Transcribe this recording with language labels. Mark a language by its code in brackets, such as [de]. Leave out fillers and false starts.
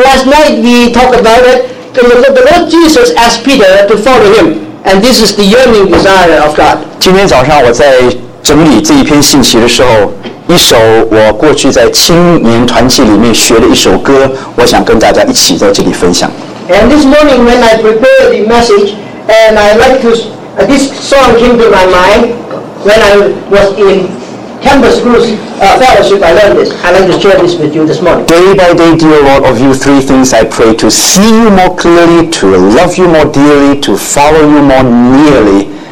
[en] last night we talked about it, the Lord Jesus asked Peter to follow him. And this is the yearning desire of God. [zh] 今天早上我在整理这一篇信息的时候，一首我过去在青年团契里面学的一首歌，我想跟大家一起在这里分享。 [en] And this morning when I prepared the message, and I like to, this song came to my mind when I was in Campus Cruz Fellowship. I learned this. I like to share this with you this morning. Day by day, dear Lord, of you, 3 things I pray: to see you more clearly, to love you more dearly, to follow you more nearly.